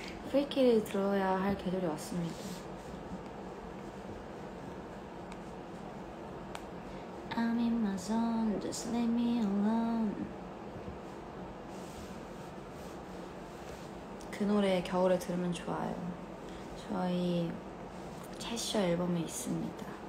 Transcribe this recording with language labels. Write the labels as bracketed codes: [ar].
[ko] 프리케이 들어야 할 계절이 왔습니다. [en] I'm in my zone, just leave me alone. [ko] 그 노래 겨울에 들으면 좋아요. 저희 채셔 앨범에 있습니다.